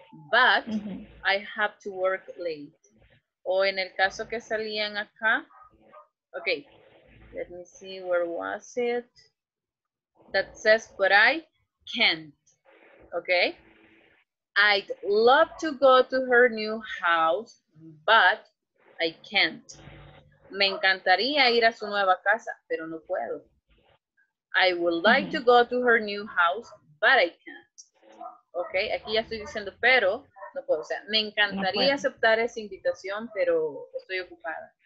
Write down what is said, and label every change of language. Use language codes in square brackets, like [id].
[en] But, I have to work late. [es] O en el caso que salían acá, [en] okay, let me see, where was it? That says, but I can't, okay? I'd love to go to her new house, but I can't. [es] Me encantaría ir a su nueva casa, pero no puedo. [en] I would like to go to her new house, but I can't. [es] Okay, aquí ya estoy diciendo, pero no puedo. O sea, me encantaría aceptar esa invitación, pero estoy ocupada.